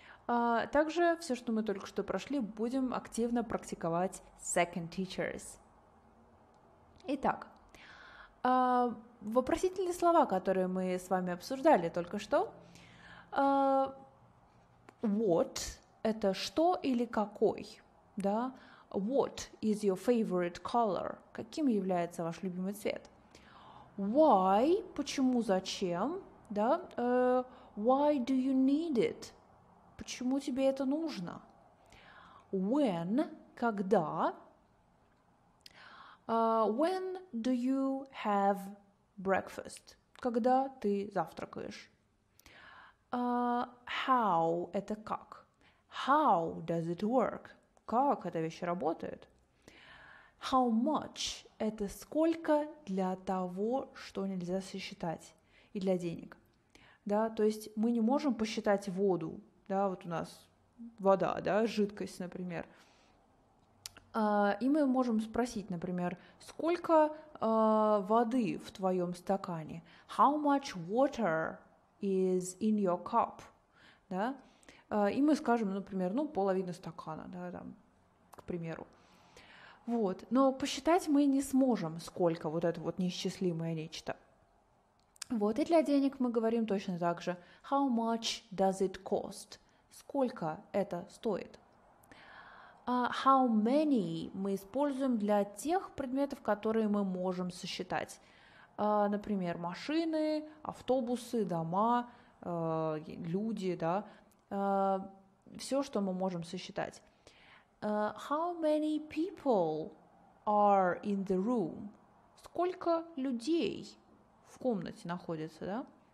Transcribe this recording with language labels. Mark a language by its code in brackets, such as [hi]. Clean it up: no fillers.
[ru] Также все, что мы только что прошли, будем активно практиковать [en] second teachers. [ru] Итак, вопросительные слова, которые мы с вами обсуждали только что. What – это что или какой, да? [en] What is your favorite color? [ru] Каким является ваш любимый цвет? Why – почему, зачем, да? [en] Why do you need it? [ru] Почему тебе это нужно? When – когда? [en] When do you have breakfast? [ru] Когда ты завтракаешь? How – это как? [en] How does it work? [ru] Как эта вещь работает? How much – это сколько для того, что нельзя сосчитать, и для денег. Да, то есть мы не можем посчитать воду, да, вот у нас вода, да, жидкость, например. И мы можем спросить, например, сколько воды в твоем стакане? [en] How much water is in your cup? [ru] Да? И мы скажем, например, ну, половина стакана, да, там, к примеру. Вот. Но посчитать мы не сможем, сколько вот это вот неисчислимое нечто. Вот, и для денег мы говорим точно так же. [en] How much does it cost? [ru] Сколько это стоит? How many мы используем для тех предметов, которые мы можем сосчитать. Например, машины, автобусы, дома, люди, да. Все, что мы можем сосчитать. [en] How many people are in the room? [ru] Сколько людей в комнате находится, да?